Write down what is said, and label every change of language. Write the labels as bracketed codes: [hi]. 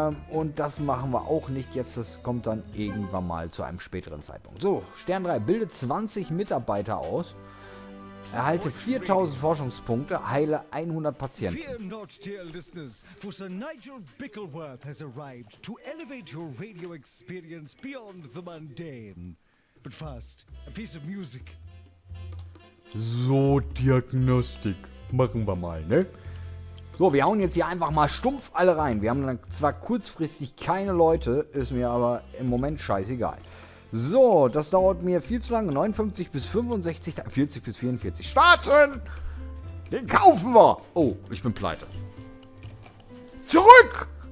[de] Und das machen wir auch nicht jetzt, das kommt dann irgendwann mal zu einem späteren Zeitpunkt. So, Stern 3, bildet 20 Mitarbeiter aus, erhalte 4000 Forschungspunkte, heile 100 Patienten. [en] Fear not, dear listeners, for Sir Nigel Bickleworth has arrived to elevate your radio experience beyond the mundane. But first, a piece of music. [de] So, Diagnostik. Machen wir mal, ne? So, wir hauen jetzt hier einfach mal stumpf alle rein. Wir haben dann zwar kurzfristig keine Leute, ist mir aber im Moment scheißegal. So, das dauert mir viel zu lange. 59 bis 65, 40 bis 44. Starten! Den kaufen wir! Oh, ich bin pleite. Zurück!